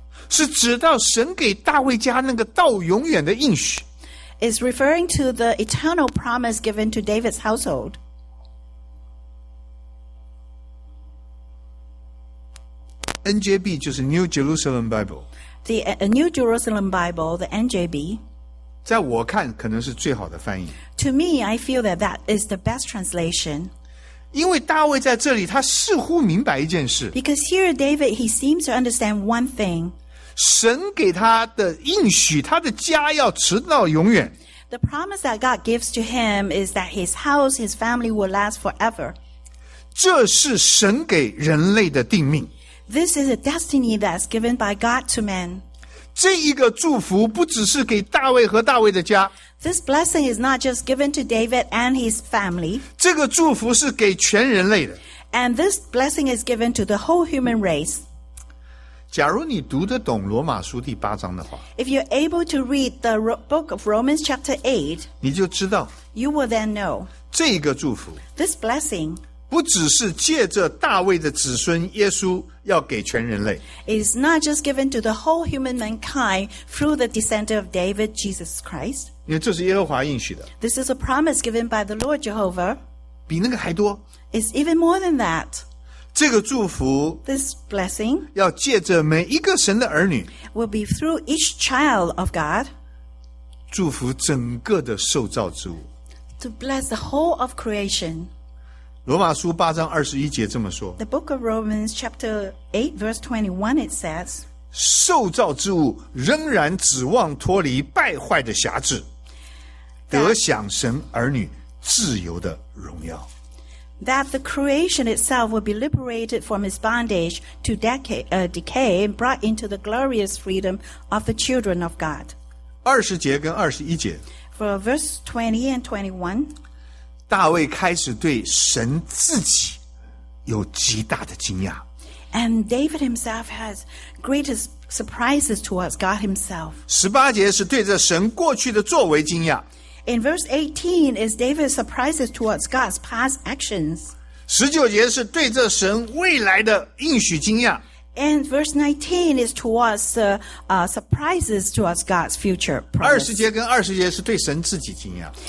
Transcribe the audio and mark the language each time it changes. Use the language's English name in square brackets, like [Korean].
[Chinese] 是指到神给大卫家那个到永远的应许。 [English] Is referring to the eternal promise given to David's household. [Chinese] NJB 就是 New Jerusalem Bible. [English] The New Jerusalem Bible, the NJB. [Chinese] 在我看可能是最好的翻译。 [English] To me, I feel that is the best translation. [Chinese] 因为大卫在这里他似乎明白一件事。 [English] Because here David, he seems to understand one thing. [Chinese] 神给他的应许他的家要直到永远。 [English] The promise that God gives to him is that his house, his family will last forever. [Chinese] 这是神给人类的定命。 [English] This is a destiny that's given by God to man. [Chinese] 这一个祝福不只是给大卫和大卫的家。 [English] This blessing is not just given to David and his family. [Chinese] 这个祝福是给全人类的。 [English] And this blessing is given to the whole human race. [Chinese] 假如你读得懂罗马书第八章的话。 [English] If you're able to read the book of Romans chapter 8. [Chinese] 你就知道。 [English] You will then know. [Chinese] 这一个祝福。 [English] This blessing. [Chinese] 不只是借着大卫的子孙耶稣要给全人类。 [English] It's not just given to the whole human mankind through the descent of David, Jesus Christ. [Chinese] 因为这是耶和华应许的。 [English] This is a promise given by the Lord Jehovah. [Chinese] 比那个还多。 [English] It's even more than that. [Chinese] 这个祝福 [English] This blessing [Chinese] 要借着每一个神的儿女 [English] will be through each child of God. [Chinese] 祝福整个的受造之物。 [English] To bless the whole of creation. [Chinese] 罗马书八章二十一节这么说。 [English] The book of Romans chapter 8 verse 21 it says, [Chinese] 受造之物仍然指望脱离败坏的辖制得享神儿女自由的荣耀。 [English] That the creation itself will be liberated from its bondage to decay and brought into the glorious freedom of the children of God. [Chinese] 二十节跟二十一节。 [English] For verse 20 and 21, [Chinese] 大卫开始对神自己有极大的惊讶。 [English] And David himself has greatest surprises towards God himself. [Chinese] 十八节是对着神过去的作为惊讶。 [English] In verse 18 is David's surprises towards God's past actions. [Chinese] 十九节是对着神未来的应许惊讶。 [English] And verse 19 is towards surprises towards God's future promise. [Chinese] 20节跟20节是对神自己惊讶。